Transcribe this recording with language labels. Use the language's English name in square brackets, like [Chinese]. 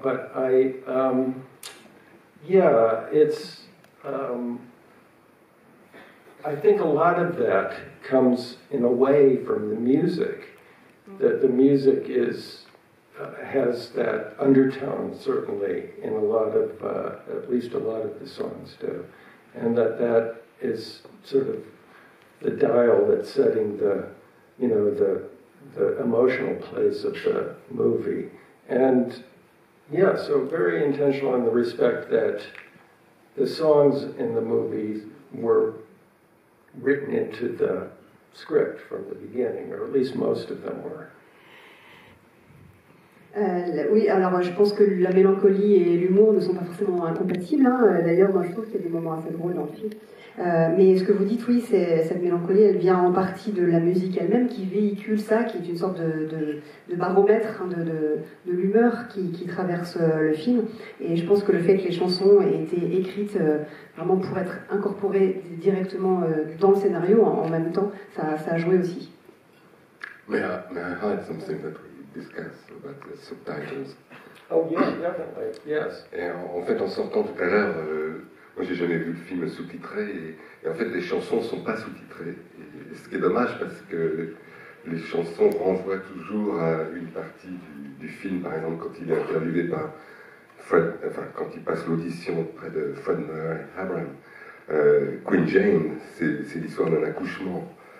[English] But I, I think a lot of that comes in a way from the music, that the music is, has that undertone, certainly, in a lot of, at least a lot of the songs do, and that is sort of the dial that's setting the, you know, the emotional place of the movie. And yeah, so very intentional in the respect that the songs in the movie were written into the script from the beginning, or at least most of them were. [French] Oui, alors je pense que la mélancolie et l'humour ne sont pas forcément incompatibles, hein. D'ailleurs, moi je trouve qu'il y a des moments assez drôles dans le film. Mais ce que vous dites, oui, c'est cette mélancolie, elle vient en partie de la musique elle-même qui véhicule ça, qui est une sorte de baromètre, hein, de l'humeur qui traverse le film. Et je pense que le fait que les chansons aient été écrites vraiment pour être incorporées directement dans le scénario en même temps, ça a joué aussi. [English] May I hide something that we discuss about the subtitles? Oh, yes, definitely. Yes. [French] Et en fait, en sortant tout à l'heure, moi, j'ai jamais vu le film sous-titré, et en fait, les chansons sont pas sous-titrées. Et ce qui est dommage, parce que les chansons renvoient toujours à une partie du film. Par exemple, quand il est interviewé par Fred, enfin, quand il passe l'audition auprès de Fred Meyer et Abraham, Queen Jane, c'est l'histoire d'un accouchement.